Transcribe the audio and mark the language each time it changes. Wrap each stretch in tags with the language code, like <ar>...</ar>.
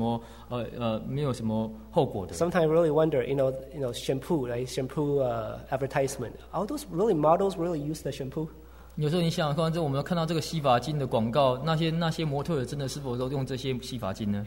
<zh>你都常常听到人家跟你讲说，哦，没有关系，就这么做，没有什么后果的。</zh> <en>Sometimes I really wonder, you know, shampoo, right? Shampoo advertisement. Are those really models really use the shampoo?</en> <zh>有时候你想，刚才我们看到这个洗发精的广告，那些模特真的是否都用这些洗发精呢？</zh>